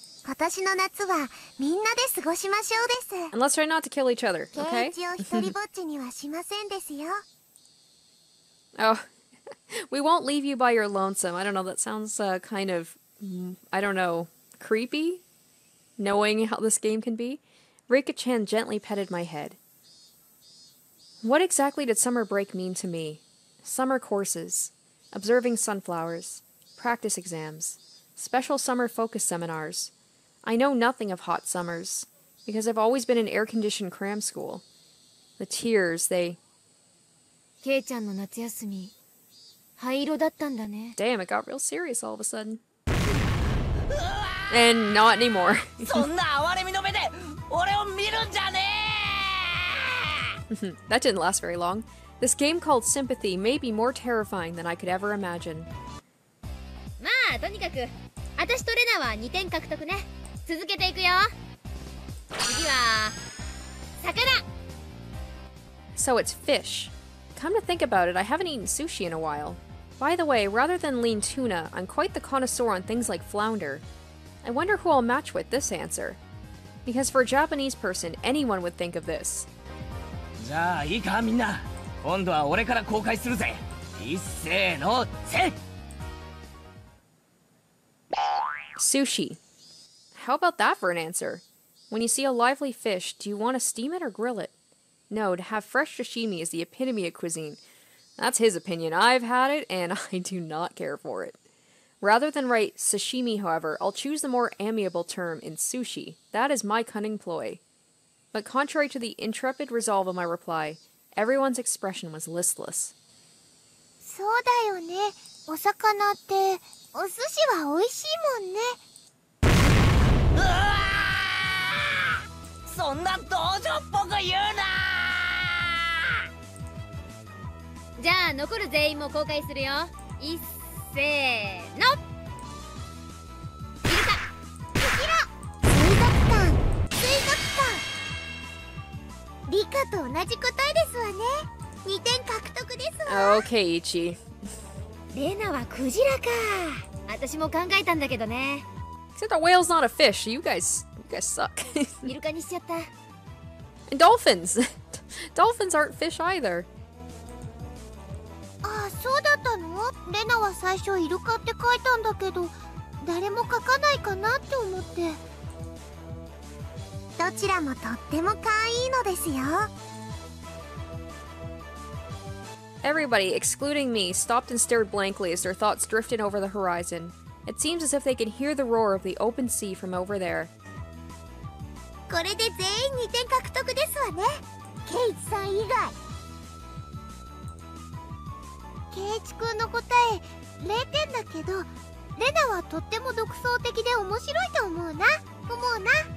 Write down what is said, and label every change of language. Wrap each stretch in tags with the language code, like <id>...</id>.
<ja>今年の夏はみんなで過ごしましょうです。</ja> <en>And let's try not to kill each other, okay?</en> <ja>Keiichi を一人ぼっちにはしませんですよ。</ja> <en>Oh, we won't leave you by your lonesome. I don't know, that sounds kind of, I don't know, creepy? Knowing how this game can be? Rika-chan gently petted my head. What exactly did summer break mean to me? Summer courses. Observing sunflowers. Practice exams. Special summer focus seminars. I know nothing of hot summers, because I've always been in air-conditioned cram school. The tears, they...</en> <ja>ケイちゃんの夏休み、灰色だったんだね。</ja> <en>Damn, it got real serious all of a sudden. And not anymore.</en> <ja>そんな哀れみの目で俺を見るんじゃねえ</ja> <en>That didn't last very long. This game called Sympathy may be more terrifying than I could ever imagine.</en> <ja>まあ、とにかく、私とレナは2点獲得ね。続けていくよ。次は、魚。</ja> <en>So it's fish. Come to think about it, I haven't eaten sushi in a while. By the way, rather than lean tuna, I'm quite the connoisseur on things like flounder. I wonder who I'll match with this answer. Because for a Japanese person, anyone would think of this.</en> <ja>じゃあいいかみんな。今度は俺から公開するぜ。いっせーの、せ。</ja> <en>Sushi. How about that for an answer? When you see a lively fish, do you want to steam it or grill it? No, to have fresh sashimi is the epitome of cuisine. That's his opinion. I've had it, and I do not care for it. Rather than write sashimi, however, I'll choose the more amiable term in sushi. That is my cunning ploy. But contrary to the intrepid resolve of my reply, everyone's expression was listless.</en> <ja>そうだよね。お魚って、お寿司は美味しいもんね。そんな道場っぽく言うな。じゃあ残る全員も公開するよ。いっせーの。リカ、こちら。水族館。リカと同じ答えですわね。 2点獲得ですわ。オーケー、イチ。レナはクジラか。私も考えたんだけどね。</ja> <en>Except the whale's not a fish. You guys suck.</en> <ja>イルカにしちゃった。</ja> <en>Dolphins. Dolphins aren't fish either.</en> <ja>ああ、そうだったの？レナは最初イルカって書いたんだけど、誰も書かないかなって思って。どちらもとってもかわいいのですよ。</ja> <en>Everybody, excluding me, stopped and stared blankly as their thoughts drifted over the horizon. It seems as if they could hear the roar of the open sea from over there.</en> <ja>これで全員2点獲得ですわね。ケイチさん以外。ケイチ君の答え、0点だけど、レナはとっても独創的で面白いと思うな。思うな。</ja>